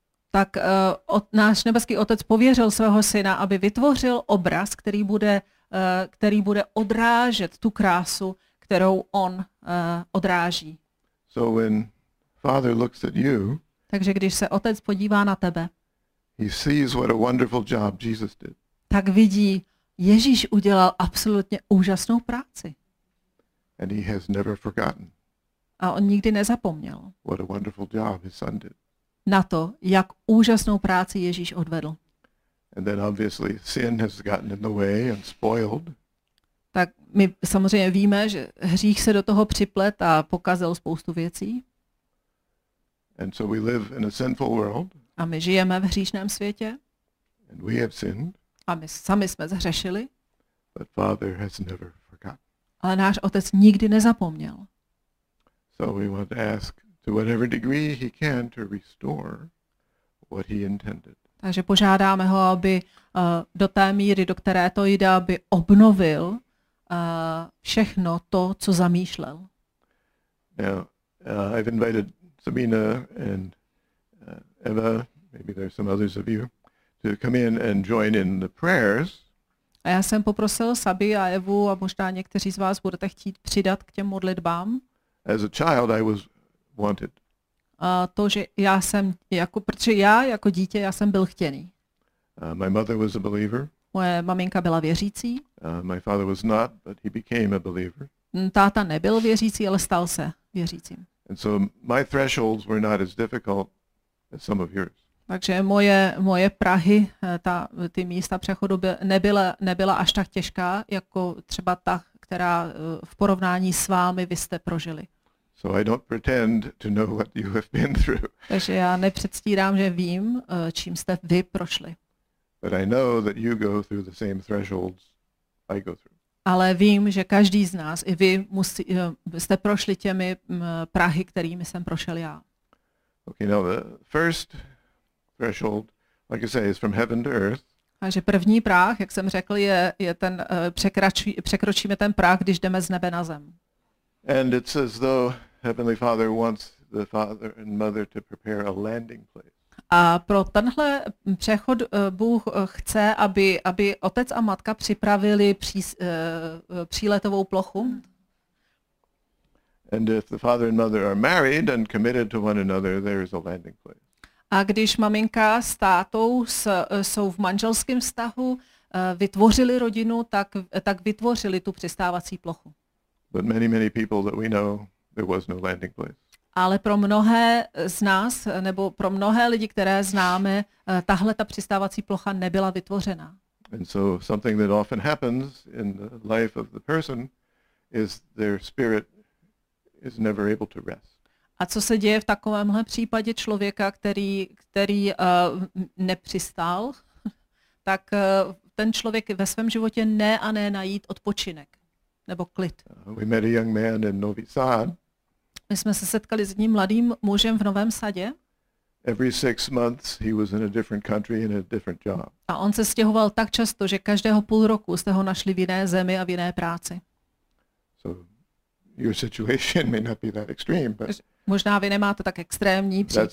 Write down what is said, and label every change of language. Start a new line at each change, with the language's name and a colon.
Czech: Tak náš nebeský Otec pověřil svého syna, aby vytvořil obraz, který bude odrážet tu krásu, kterou on odráží.
English: So when Father looks at you,
Czech: takže když se Otec podívá na tebe,
English: he sees what a wonderful job Jesus did.
Czech: Tak vidí, Ježíš udělal absolutně úžasnou práci.
English: And he has never forgotten.
Czech: A on nikdy nezapomněl.
English: What a wonderful job his son did.
Czech: Na to, jak úžasnou práci Ježíš odvedl.
English: And then obviously sin has gotten in the way and spoiled.
Czech: Tak my samozřejmě víme, že hřích se do toho připlet a pokazil spoustu věcí.
English: And so we live in a sinful world.
Czech: A my žijeme v hříšném světě.
English: And we have sinned.
Czech: A my sami jsme zhřešili.
English: But Father has never forgotten.
Czech: Ale náš Otec nikdy nezapomněl.
English: So we want to ask to whatever degree he can to restore what he intended.
Czech: Takže požádáme ho, aby do té míry, do které to jde, aby obnovil všechno to, co zamýšlel.
English: Now, I've invited Sabina and Eva, maybe there's some others of you, to come in and join in the prayers.
Czech: A já jsem poprosil Sabi a Evu a možná někteří z vás budete chtít přidat k těm modlitbám.
English: As a child I was wanted.
Czech: To, že já jsem, protože já jako dítě, já jsem byl chtěný.
English: My mother was a believer.
Czech: Moje maminka byla věřící.
English: My father was not, but he became a believer.
Czech: Táta nebyl věřící, ale stal se věřícím.
English: And so my thresholds were not as difficult as some of yours.
Czech: Takže moje prahy, ty místa přechodu nebyla až tak těžká, jako třeba ta, která v porovnání s vámi vy jste prožili.
English: So I don't pretend to know what you have been through.
Czech: Takže já nepředstírám, že vím, čím jste vy prošli.
English: But I know that you go through the same thresholds I go through.
Czech: Ale vím, že každý z nás, i vy, jste prošli těmi prahy, kterými jsem prošel já.
English: Okay, now the first threshold, like I say, is from heaven to earth.
Czech: Takže první práh, jak jsem řekl, je ten překročíme ten práh, když jdeme z nebe na zem.
English: And it's as though Heavenly Father wants the father and mother to prepare a landing place.
Czech: A pro tenhle přechod Bůh chce, aby otec a matka připravili příletovou plochu.
English: And if the father and mother are married and committed to one another, there is a landing place.
Czech: A když maminka s tátou jsou v manželském vztahu, vytvořili rodinu, tak vytvořili tu přistávací plochu.
English: But many people that we know, there was no landing place.
Czech: Ale pro mnohé z nás, nebo pro mnohé lidi, které známe, tahle ta přistávací plocha nebyla vytvořena.
English: And so something that often happens in the life of the person is their spirit is never able to rest.
Czech: A co se děje v takovémhle případě člověka, který nepřistál, tak ten člověk ve svém životě ne a ne najít odpočinek nebo klid.
English: We met a young man in Nový Sad.
Czech: My jsme se setkali s ním mladým mužem v Novém Sadě.
English: Every 6 months he was in a different country in a different job.
Czech: A on se stěhoval tak často, že každého půl roku jste ho našli v jiné zemi a v jiné práci.
English: So your situation may not be that extreme, but
Czech: možná vy nemáte tak extrémní případ.